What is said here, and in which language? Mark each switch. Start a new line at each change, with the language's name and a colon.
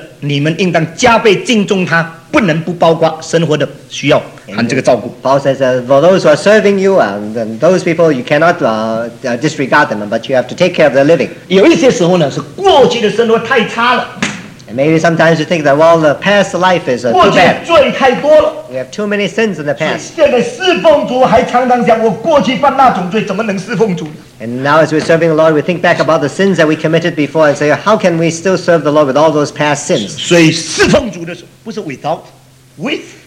Chinese: 保罗说那些在你们中间劳苦的你们应当加倍敬重他, 不能不包括生活的需要, 含这个照顾。
English: Paul says, for those who are serving you, then those people, you cannot disregard them, but you have to take care of their living.
Chinese: 有一些时候呢是过去的生活太差了。
English: And maybe sometimes you think that, well, the past life is too bad.
Chinese: 过去罪太多了,
English: we have too many sins in the past.
Chinese: 现在侍奉主还常常想, 我过去犯那种罪, 怎么能侍奉主?
English: And now as we're serving the Lord, we think back about the sins that we committed before and say, how can we still serve the Lord with all those past sins?
Chinese: 所以侍奉主的时候不是
English: without, with.